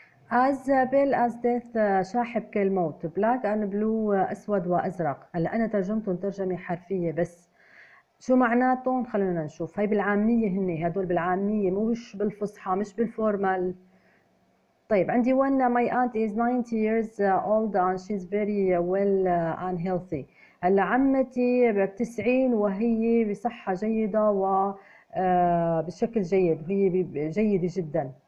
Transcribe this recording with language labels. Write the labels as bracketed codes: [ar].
[en] As pale as death [ar] شاحب كالموت. [en] Black and blue [ar] أسود وأزرق. هلا أنا ترجمتهم ترجمة حرفية بس شو معناتهم؟ خلونا نشوف. هاي بالعامية، هني هدول بالعامية مش بالفصحى مش بالفورمال. طيب عندي [en] one my aunt is 90 years old and she's very well and healthy. [ar] هلا عمتي بالتسعين وهي بصحة جيدة و بشكل جيد، هي جيدة جدا.